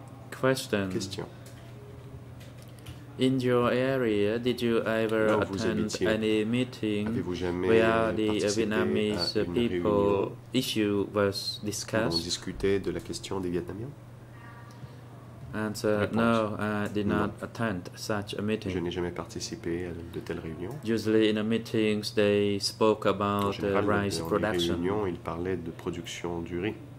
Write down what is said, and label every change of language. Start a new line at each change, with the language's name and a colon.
English: Question. In your area, did you ever
French: non,
English: attend any meeting where the Vietnamese people issue was discussed?
French: Où on discutait de la question des Vietnamiens?
English: Answer, no, I did not attend such a meeting.
French: Je n'ai jamais participé à de telles réunions.
English: Usually in the meetings, they spoke about rice production.
French: Dans les réunions, ils parlaient de production du riz.